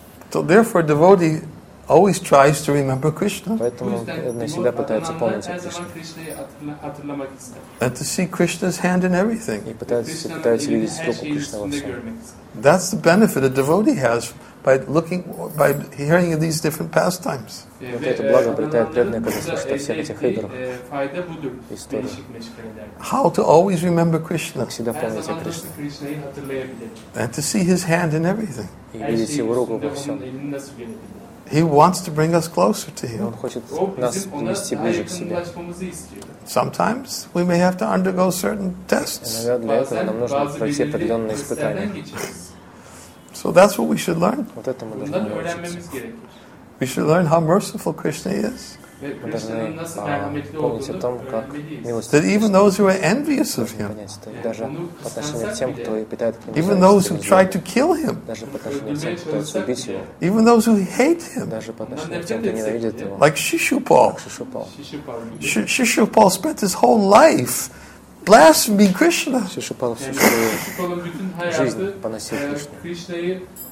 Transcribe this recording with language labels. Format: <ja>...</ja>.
<en>So therefore, a devotee always tries to remember Krishna.</en> <ru>Поэтому он всегда пытается помнить о Кришне.</ru> <en>And to see Krishna's hand in everything.</en> <ru>И пытается видеть руку Кришны во всем.</ru> <en>That's the benefit a devotee has by looking, by hearing of these different pastimes.</en> <ru>Вот это благо обретает преданный, когда слышит о всех этих играх. История.</ru> <en>How to always remember Krishna.</en> <ru>Как всегда помнить о Кришне.</ru> <en>And to see his hand in everything.</en> <ru>И видеть его руку во всем.</ru> <en>He wants to bring us closer to him.</en> <ru>Он хочет нас внести ближе к себе.</ru> <en>Sometimes we may have to undergo certain tests.</en> <ru>Иногда для этого нам нужно пройти определенные испытания.</ru> <en>So that's what we should learn.</en> <ru>Вот это мы должны научиться.</ru> <en>We should learn how merciful Krishna is.</en> <ru>Мы должны помнить о том, как милостив.</ru> <en>That even those who are envious of him,</en> <ru>даже по отношению к тем, кто питает к нему зависть,</ru> <en>even those who try to kill him,</en> <ru>даже по отношению к тем, кто пытается убить его,</ru> <en>even those who hate him,</en> <ru>даже по отношению к тем, кто ненавидит его,</ru> <en>like Shishupal. Shishupal spent his whole life blaspheming Krishna.</en> <ru>Shishupal всю свою жизнь поносил Кришну.</ru>